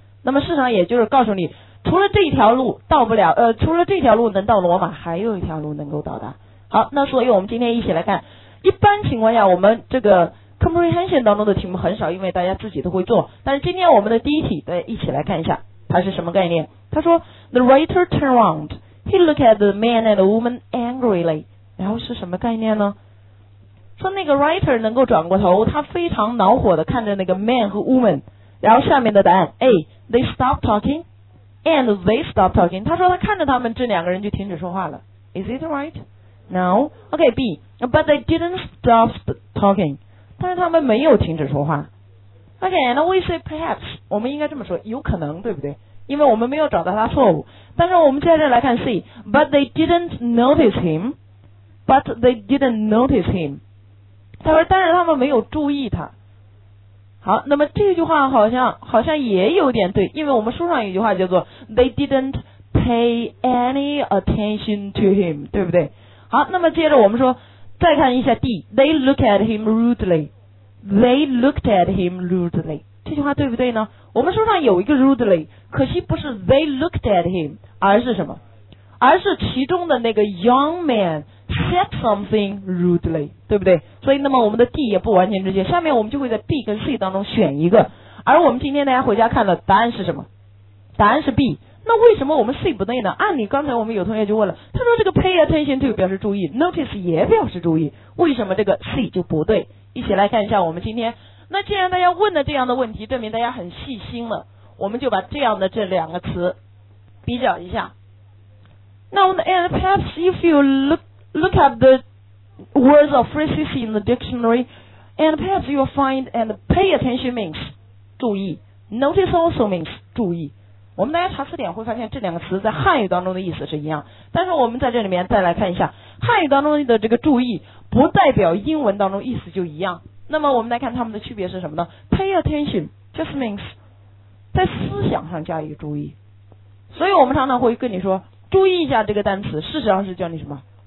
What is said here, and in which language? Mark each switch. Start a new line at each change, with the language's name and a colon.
Chinese: 那么市场也就是告诉你除了这条路到不了，除了这条路能到罗马还有一条路能够到达。好，那所以我们今天一起来看，一般情况下我们这个comprehension 当中的题目很少，因为大家自己都会做，但是今天我们的第一题大家一起来看一下它是什么概念。他说
English: The writer turned around, he looked at the man and the woman angrily.
Chinese: 然后是什么概念呢？说那个 writer 能够转过头，他非常恼火的看着那个 man 和 woman, 然后下面的答案 A,
English: they stopped talking and they stopped talking.
Chinese: 他说他看着他们这两个人就停止说话了。
English: Is it right? No. OK, B, but they didn't stop talking.
Chinese: 但是他们没有停止说话。 OK, and we say perhaps, 我们应该这么说，有可能，对不对？因为我们没有找到他错误。但是我们接下来看
English: C, but they didn't notice him, but they didn't notice him.
Chinese: 他说但是他们没有注意他。好，那么这句话好像也有点对，因为我们书上有一句话叫做
English: they didn't pay any attention to him,
Chinese: 对不对？好，那么接着我们说再看一下 D,
English: they look at him rudely,
Chinese: they looked at him rudely, 这句话对不对呢？我们书上有一个 rudely, 可惜不是
English: they looked at him,
Chinese: 而是什么？而是其中的那个
English: young man said something rudely,
Chinese: 对不对？所以那么我们的 D 也不完全正确，下面我们就会在 B 跟 C 当中选一个，而我们今天大家回家看的答案是什么？答案是 B。那为什么我们 C 不对呢？按理刚才我们有同学就问了，他说这个 pay attention to 表示注意， notice 也表示注意，为什么这个 C 就不对？一起来看一下我们今天，那既然大家问了这样的问题，证明大家很细心了，我们就把这样的这两个词比较一下。
English: 那我们的 and perhaps if you look at the words or phrases in the dictionary, and perhaps you'll find and pay attention means 注意， notice also means 注意。
Chinese: 我们大家查词典会发现这两个词在汉语当中的意思是一样，但是我们在这里面再来看一下汉语当中的这个注意不代表英文当中意思就一样。那么我们来看它们的区别是什么呢？
English: pay attention just means
Chinese: 在思想上加以注意，所以我们常常会跟你说注意一下这个单词，事实上是叫你什么？